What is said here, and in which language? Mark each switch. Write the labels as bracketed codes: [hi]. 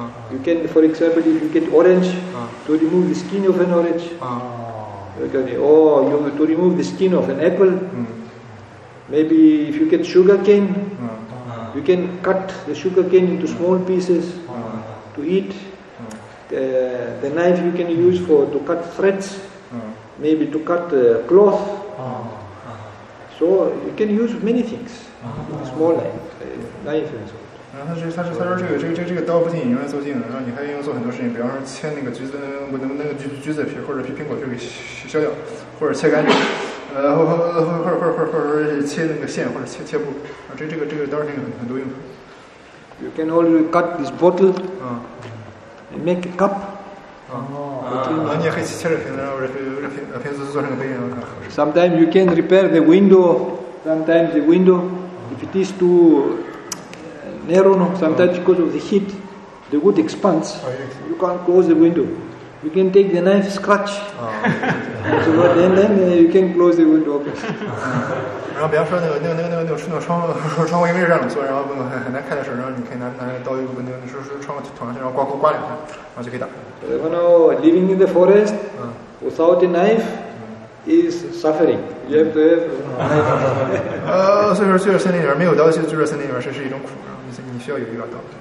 [en] You can, for example, if you get orange, to remove the skin of an orange, to remove the skin of an apple, maybe if you get sugar cane, you can cut the sugar cane into small pieces to eat. The knife you can use to cut threads, maybe to cut cloth. So you can use many things, small knife and so on. [zh] 然后他说这个刀不仅仅用来做镜子，然后你还用来做很多事情，比方说切那个橘子那个橘子皮或者苹果皮给削掉，或者切干净，或者切那个线或者切布，啊，这个刀是很多用途。 [en] You can also cut this bottle. And make a cup. [zh] 你也可以切着瓶子，或者瓶子做成个杯。 [en] Sometimes you can repair the window. Sometimes the window, if it is too narrow, sometimes because of the heat, the wood expands. You can't close the window. You can take the knife, scratch. and then you can close the window. [zh] 然后比方说那个窗户因为是这样做，然后很难开的时候，然后你可以拿刀一个那个窗户捅上去，然后刮两下，然后就可以打。 [en] You know, living in the forest without a knife is suffering. You have to have a knife. [zh] 所以说，就是森林里边没有刀，就是森林里边是一种苦，然后你需要有一把刀。